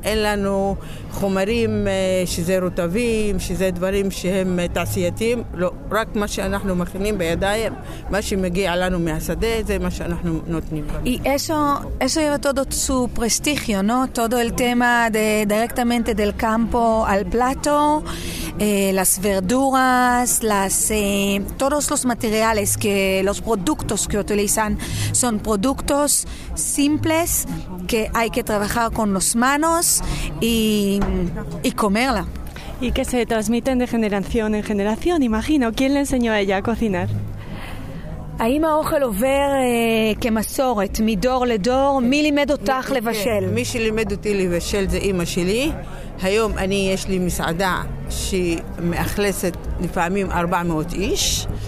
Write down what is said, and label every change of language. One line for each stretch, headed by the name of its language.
Hebrew: אין לנו חומרים שזה רוטבים, שזה דברים שהם תעשייתיים. לא, רק מה שאנחנו מכינים בידיים, מה שמגיע לנו מהשדה, זה מה שאנחנו נותנים.
Spanish: Eso lleva todo su prestigio, ¿no? Todo el tema de directamente del campo al plato, las verduras, todos los materiales, que los productos que utilizan son productos simples que hay que trabajar con las manos y comerla. Y que se transmiten de generación en generación, imagino. ¿Quién le enseñó a ella a cocinar?
Hebrew: האם האוכל עובר כמסורת, מדור לדור? מי לימד אותך לבשל? מי שלימד אותי לבשל זה אמא שלי. היום אני, יש לי מסעדה שמאכלסת לפעמים 400 איש.